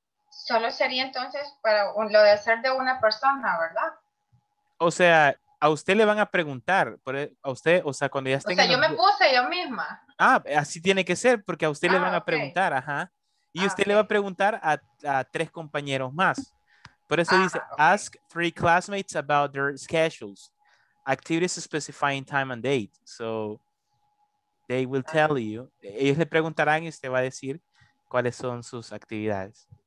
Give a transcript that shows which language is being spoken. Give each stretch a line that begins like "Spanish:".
Spanish: Solo sería entonces para lo de hacer de una persona, ¿verdad? O sea, a usted le van a preguntar, a usted, o sea, cuando ya estén... O sea, yo me puse yo misma. Ah, así tiene que ser, porque a usted le van a preguntar, ajá. Y usted le va a preguntar a tres compañeros más. Por eso dice,
English: ask three classmates about their schedules. Activities specifying time and date. So, they will tell you.
Spanish: Ellos le preguntarán y usted va a decir cuáles son sus actividades.